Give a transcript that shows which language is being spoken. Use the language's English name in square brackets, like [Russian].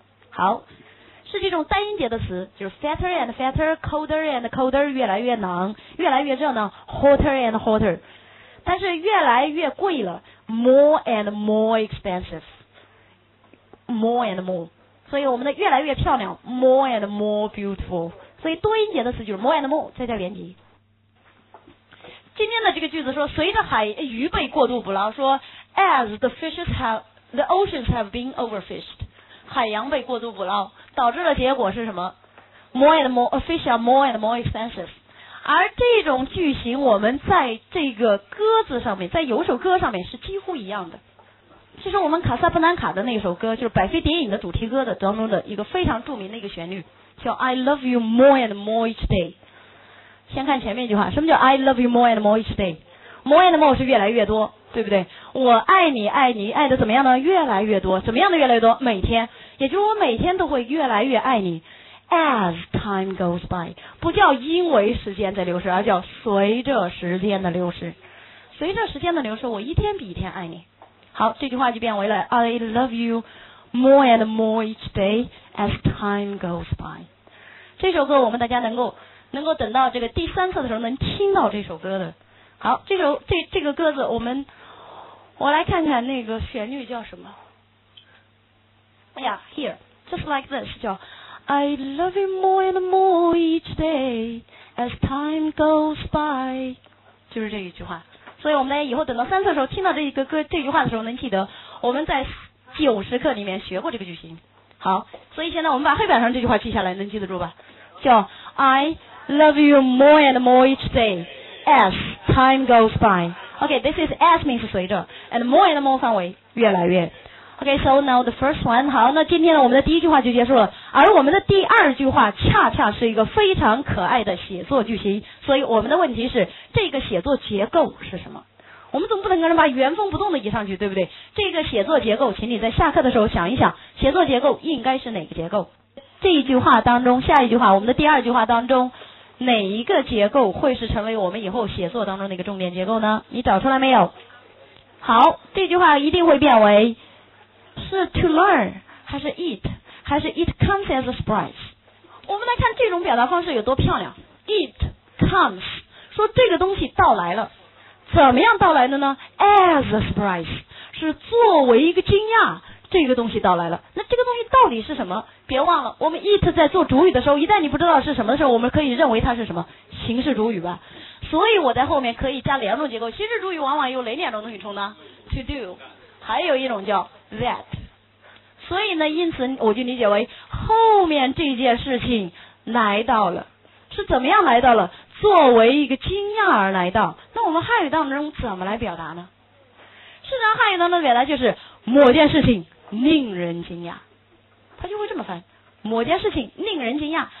[Chinese] 好，是这种单音节的词，就是 fatter and fatter, colder and colder, 越来越冷，越来越热呢 hotter and hotter, 但是越来越贵了 more and more expensive, more and more, 所以我们的越来越漂亮 more and more beautiful, 所以多音节的词就是 more and more, 再加连级。今天的这个句子说，随着海鱼被过度捕捞，说 as the fishes have, the oceans have been overfished, 海洋被过度捕捞，导致的结果是什么？ [English] more and more, fish are more and more expensive. [Chinese] 而这种句型我们在这个歌词上面，在有首歌上面是几乎一样的。其实我们卡萨布兰卡的那首歌，就是百飞蝶影的主题歌的当中的一个非常著名的一个旋律，叫 I love you more and more each day。先看前面一句话，什么叫 I love you more and more each day? More and more 是越来越多，对不对？我爱你爱你爱的怎么样呢？越来越多，怎么样的越来越多？每天，也就是我每天都会越来越爱你。 As time goes by, 不叫因为时间在流逝，而叫随着时间的流逝，随着时间的流逝，我一天比一天爱你。好，这句话就变为了 I love you more and more each dayAs time goes by, 这首歌我们大家能够等到这个第三次的时候能听到这首歌的。好，这个歌子我来看看那个旋律叫什么。哎呀 ， here just like this, 叫 I love you more and more each day as time goes by, 就是这一句话。所以我们大家以后等到三次的时候听到这句话的时候能记得，我们在90课里面学过这个句型。好，所以现在我们把黑板上这句话记下来，能记得住吧？ [English] 叫 I love you more and more each day as time goes by. OK, this is as means 随着 and more 范围越来越。 Okay, so now the first one. [Chinese] 好，那今天呢，我们的第一句话就结束了。而我们的第二句话恰恰是一个非常可爱的写作句型。所以我们的问题是，这个写作结构是什么？我们总不能跟人把原封不动的移上去，对不对？这个写作结构，请你在下课的时候想一想，写作结构应该是哪个结构？这一句话当中，下一句话，我们的第二句话当中，哪一个结构会是成为我们以后写作当中的一个重点结构呢？你找出来没有？好，这句话一定会变为是 to learn 还是 eat 还是 it comes as a surprise。我们来看这种表达方式有多漂亮。 it comes 说这个东西到来了，怎么样到来的呢？ As a surprise 是作为一个惊讶，这个东西到来了。那这个东西到底是什么？别忘了，我们 it 在做主语的时候，一旦你不知道是什么的时候，我们可以认为它是什么形式主语吧。所以我在后面可以加两种结构。形式主语往往有哪两种东西冲呢？ to do 还有一种叫 that。所以呢，因此我就理解为后面这件事情来到了，是怎么样来到了？作为一个惊讶而来到。那我们汉语当中怎么来表达呢？事实上汉语当中表达就是某件事情令人惊讶，他就会这么翻，某件事情令人惊讶。